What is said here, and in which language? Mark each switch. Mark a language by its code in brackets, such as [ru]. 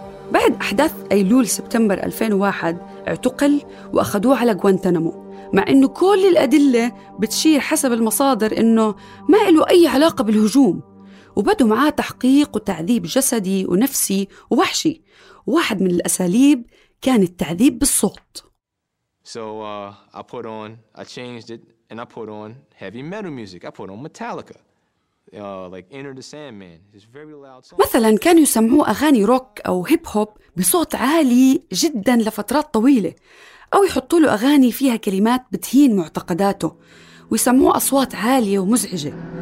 [ar] بعد أحداث أيلول سبتمبر 2001 اعتقل وأخذوه على غوانتانامو، مع إنه كل الأدلة بتشير حسب المصادر إنه ما إله أي علاقة بالهجوم. وبدوا معاه تحقيق وتعذيب جسدي ونفسي ووحشي. واحد من الأساليب كان التعذيب بالصوت. [en] I put on, I changed it and I put on heavy metal music. I put on Metallica. Like Enter the Sandman. It's very loud song. [ar] مثلا كانوا يسمعوا أغاني روك أو هيب هوب بصوت عالي جدا لفترات طويلة، أو يحطوا له أغاني فيها كلمات بتهين معتقداته ويسمعوا أصوات عالية ومزعجة.